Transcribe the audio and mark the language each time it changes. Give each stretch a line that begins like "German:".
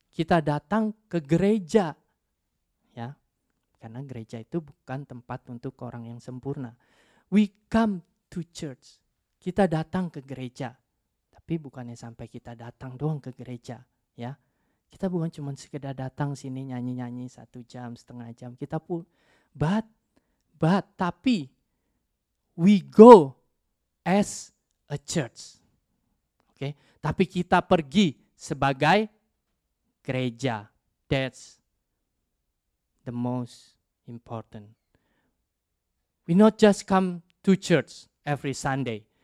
Indonesian: Kita datang ke gereja. Ya. Karena gereja itu bukan tempat untuk orang yang sempurna.
English: We come to church.
Indonesian: Kita datang ke gereja. Tapi bukannya sampai kita datang doang ke gereja, ya. Kita bukan cuma sekedar datang sini nyanyi-nyanyi satu jam, setengah jam. Kita pun
English: but
Indonesian: tapi
English: we go as a church.
Indonesian: Oke. Okay? Tapi kita pergi sebagai gereja.
English: That's the most important. We not just come to church every Sunday.